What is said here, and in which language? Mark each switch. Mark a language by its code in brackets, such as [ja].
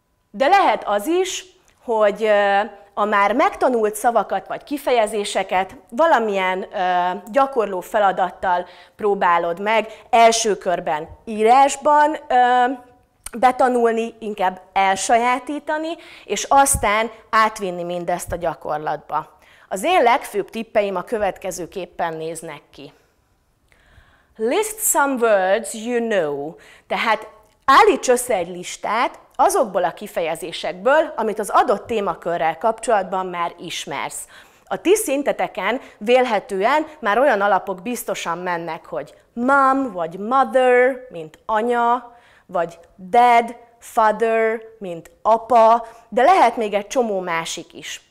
[hu] De lehet az is, hogy a már megtanult szavakat vagy kifejezéseket valamilyen gyakorló feladattal próbálod meg első körben írásban betanulni, inkább elsajátítani, és aztán átvinni mindezt a gyakorlatba. Az én legfőbb tippeim a következőképpen néznek ki. [en] List some words you know. [hu] Tehát állíts össze egy listát azokból a kifejezésekből, amit az adott témakörrel kapcsolatban már ismersz. A ti szinteteken vélhetően már olyan alapok biztosan mennek, hogy mom vagy mother, mint anya, vagy dad, father, mint apa, de lehet még egy csomó másik is.